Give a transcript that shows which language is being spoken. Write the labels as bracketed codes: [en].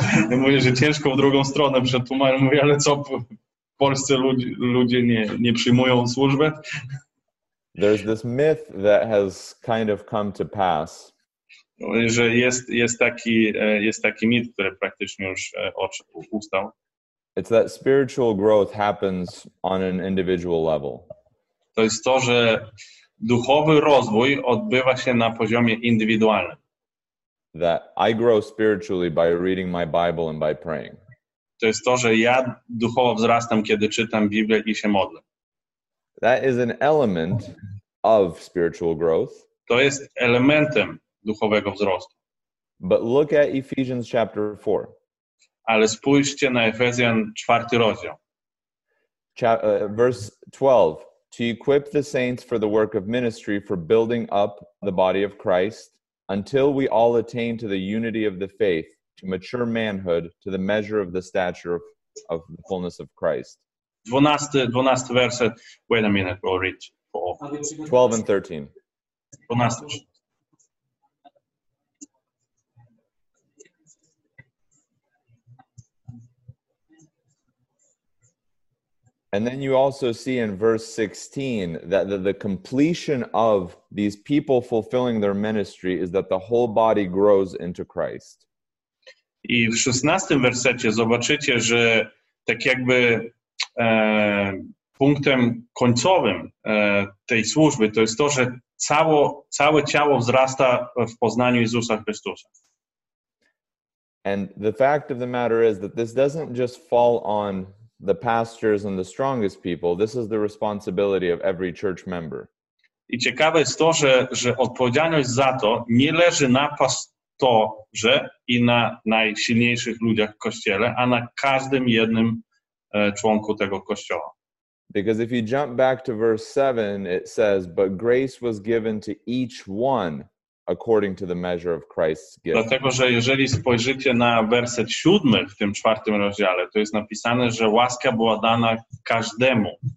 [pl] Mówię, że ciężko w drugą stronę przetłumaczyć. Mówię, ale co, polscy ludzie nie przyjmują służbę? [en] There's this myth that has kind of come to pass. [pl] Że jest taki mit, który praktycznie już ustał. [en] It's that spiritual growth happens on an individual level. [pl] To jest to, że duchowy rozwój odbywa się na poziomie indywidualnym. [en] That I grow spiritually by reading my Bible and by praying. [pl] To jest to, że ja duchowo wzrastam, kiedy czytam Biblię i się modlę. [en] That is an element of spiritual growth. [pl] To jest elementem duchowego wzrostu. [en] But look at Ephesians chapter 4. [pl] Ale spójrzcie na Efezjan 4 rozdział. [en] Verse 12. To equip the saints for the work of ministry, for building up the body of Christ, until we all attain to the unity of the faith, to mature manhood, to the measure of the stature of the fullness of Christ. [pl] 12 verset. [en] Wait a minute, we'll read 12 and 13. 12. And then you also see in verse 16 that the completion of these people fulfilling their ministry is that the whole body grows into Christ. [pl] I w 16 wersecie zobaczycie, że tak jakby punktem końcowym tej służby to jest to, że całe ciało wzrasta w poznaniu Jezusa Chrystusa. [en] And the fact of the matter is that this doesn't just fall on the pastors and the strongest people. This is the responsibility of every church member. [pl] I ciekawe jest to, że odpowiedzialność za to nie leży na pastorze i na najsilniejszych ludziach w kościele, a na każdym jednym członku tego kościoła. [en] Because if you jump back to verse 7, it says, but grace was given to each one according to the measure of Christ's gift. [pl] Dlatego, że jeżeli spojrzycie na werset 7 w tym czwartym rozdziale, to jest napisane, że łaska była dana każdemu.